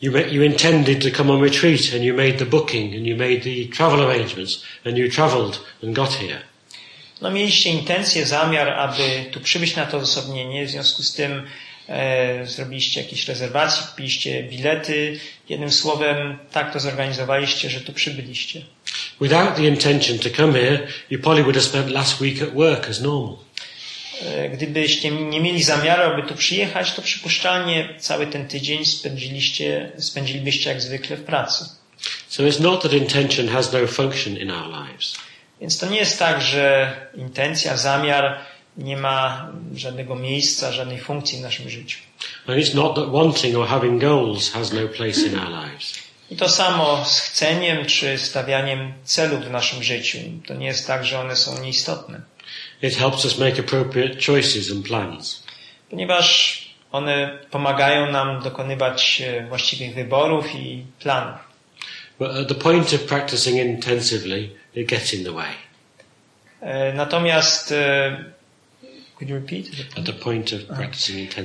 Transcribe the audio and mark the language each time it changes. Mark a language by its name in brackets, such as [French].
[English] You intended to come on retreat and you made the booking and you made the travel arrangements and you traveled and got here. [Polish] No, mieliście intencję, zamiar, aby tu przybyć na to osobnienie, w związku z tym zrobiliście jakieś rezerwacje, kupiliście bilety, jednym słowem tak to zorganizowaliście, że tu przybyliście. [English] Without the intention to come here, you probably would have spent last week at work as normal. [Polish] Gdybyście nie mieli zamiaru, aby tu przyjechać, to przypuszczalnie cały ten tydzień spędzilibyście jak zwykle w pracy. [English] So it's not that intention has no function in our lives. [Polish] Więc to nie jest tak, że intencja, zamiar nie ma żadnego miejsca, żadnej funkcji w naszym życiu. [English] And it's not that wanting or having goals has no place in our lives. [Polish] I to samo z chceniem czy stawianiem celów w naszym życiu. To nie jest tak, że one są nieistotne. [English] It helps us make appropriate choices and plans. [Polish] Ponieważ one pomagają nam dokonywać właściwych wyborów i planów. [English] But at the point of practicing intensively, it gets in the way. [Polish] Natomiast, [English] could you repeat? At the point of practicing intensively.